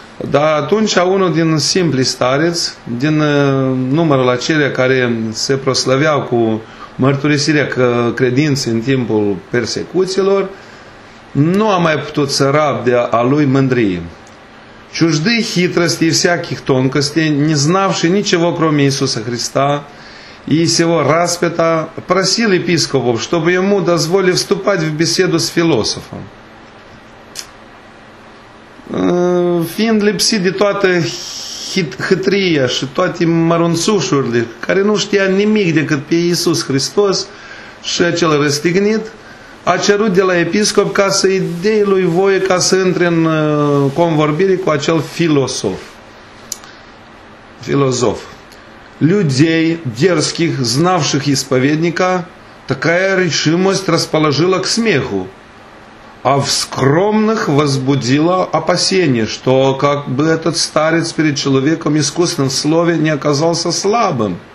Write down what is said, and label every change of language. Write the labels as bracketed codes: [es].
[ro] Dar atunci unul din simpli stareți, din numărul acelea care se proslăveau cu mărturisirea credinței în timpul persecuțiilor, nu a mai putut să rabde a lui mândrie. [ru] Чужды хитрости и всяких тонкостей, не знавши ничего кроме Иисуса Христа и сего распята, просил епископов, чтобы ему дозволили вступать в беседу с философом. [ro] Fiind lipsit de toată hâtria și toate mărunțușurile, care nu știa nimic decât pe Iisus Hristos și acel răstignit, a cerut de la episcop ca să-i dea lui voie ca să intre în convorbire cu acel filosof. Filozof. [ru] Людей дерзких, знавших исповедника, такая решимость расположила к смеху, а в скромных возбудило опасение, что как бы этот старец перед человеком искусным в слове не оказался слабым.